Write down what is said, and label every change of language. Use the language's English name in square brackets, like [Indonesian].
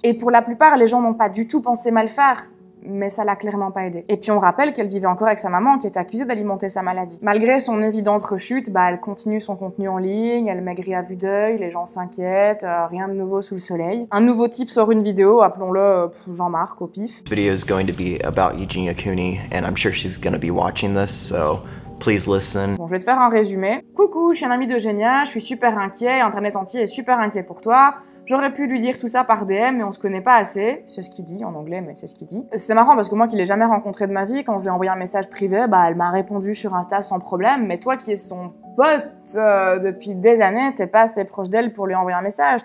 [French] Et pour la plupart, les gens n'ont pas du tout pensé mal faire, mais ça l'a clairement pas aidée. Et puis on rappelle qu'elle vivait encore avec sa maman qui était accusée d'alimenter sa maladie. Malgré son évidente rechute, bah elle continue son contenu en ligne, elle maigrit à vue d'œil, les gens s'inquiètent, rien de nouveau sous le soleil. Un nouveau type sort une vidéo, appelons-le Jean-Marc au pif. [English] This video is going to be about Eugenia Cooney and I'm sure she's going to be watching this, so please listen. [French] Bon, je vais te faire un résumé. Coucou, je suis un ami d'Eugenia, je suis super inquiet, Internet entier est super inquiet pour toi. J'aurais pu lui dire tout ça par DM, mais on se connaît pas assez. C'est ce qu'il dit, en anglais, mais c'est ce qu'il dit. C'est marrant parce que moi qui l'ai jamais rencontré de ma vie, quand je lui ai envoyé un message privé, bah elle m'a répondu sur Insta sans problème, mais toi qui es son pote depuis des années, t'es pas assez proche d'elle pour lui envoyer un message.